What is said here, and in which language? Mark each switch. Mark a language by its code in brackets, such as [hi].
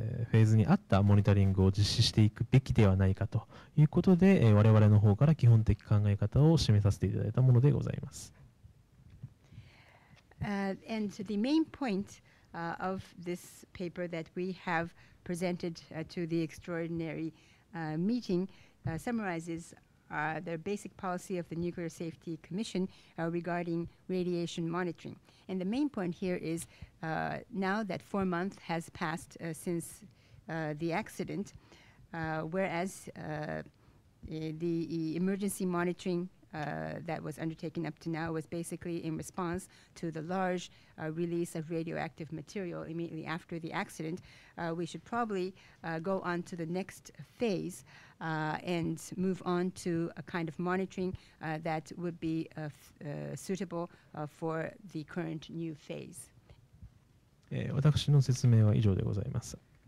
[ja] フェーズに合ったモニタリングを実施していくべきではないかということで、我々の方から基本的考え方を示させていただいたものでございます。 [en] And so the main point, of this paper that we have presented, to the extraordinary, meeting, summarizes, the basic policy of the Nuclear Safety Commission, regarding radiation monitoring. And the main point here is, now that 4 months has passed, since, the accident, whereas, the emergency monitoring, that was undertaken up to now was basically in response to the large, release of radioactive material immediately after the accident. We should probably, go on to the next phase, and move on to a kind of monitoring, that would be, suitable, for the current new phase. [ja] 私の説明は以上でございます。